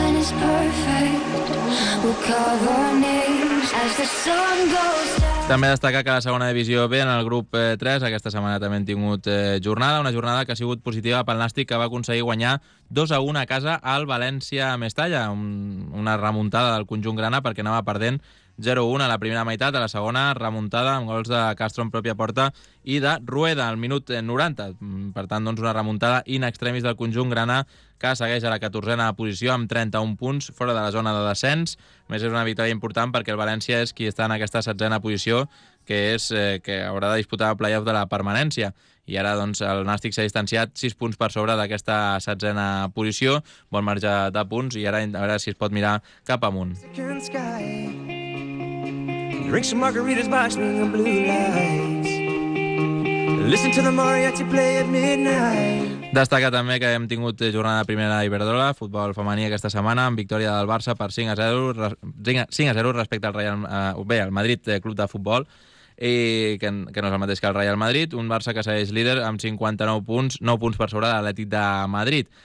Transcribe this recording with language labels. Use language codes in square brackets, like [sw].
[en] Perfect. We'll cover names as the sun goes down. [ca] També destacar que la segona divisió B en el grup 3, aquesta setmana també hem tingut jornada, una jornada que ha sigut positiva pel Nàstic, que va aconseguir guanyar 2-1 a casa al València Mestalla, una remuntada del conjunt grana perquè anava perdent 0-1 a la primera meitat, a la segona remuntada amb gols de Castro en pròpia porta i de Rueda al minut 90. Per tant, doncs, una remuntada in extremis del conjunt grana, que segueix a la 14a posició amb 31 punts fora de la zona de descens. A més, és una victòria important perquè el València és qui està en aquesta 16a posició, que és que haurà de disputar el play-off de la permanència. I ara, doncs, el Nàstic s'ha distanciat 6 punts per sobre d'aquesta 16a posició, bon marge de punts, i ara a veure si es pot mirar cap amunt. [en] Drink some margaritas, watch me on blue lights. Listen to the mariachi play at midnight. [ca] Destaca també que hem tingut jornada primera a Iberdrola, futbol femení aquesta setmana, amb victòria del Barça per 5-0 respecte al Real, bé, al Madrid Club de Futbol, i que no és el mateix que el Real Madrid, un Barça que segueix líder amb 59 punts, 9 punts per sobre de l'Atlètic de Madrid.